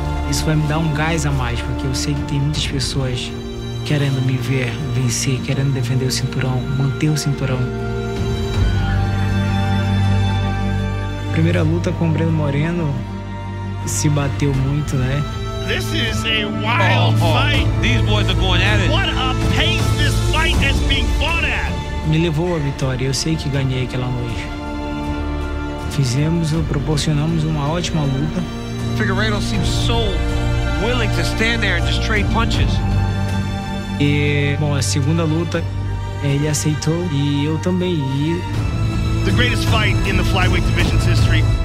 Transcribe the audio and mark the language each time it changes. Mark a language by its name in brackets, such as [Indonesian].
[Portuguese] Isso vai me dar um gás a mais, porque eu sei que tem muitas pessoas querendo me ver vencer, querendo defender o cinturão, manter o cinturão. Primeira luta com o Breno Moreno, se bateu muito, né? [English] This is a wild fight. These boys are going at it. What a pace this fight has been fought at. [Portuguese] Me levou a vitória. Eu sei que ganhei aquela noite. Fizemos, proporcionamos uma ótima luta. [English] Figueiredo seems so willing to stand there and just trade punches. [Portuguese] E, bom, a segunda luta, ele aceitou e eu também. [English] The greatest fight in the flyweight division's history.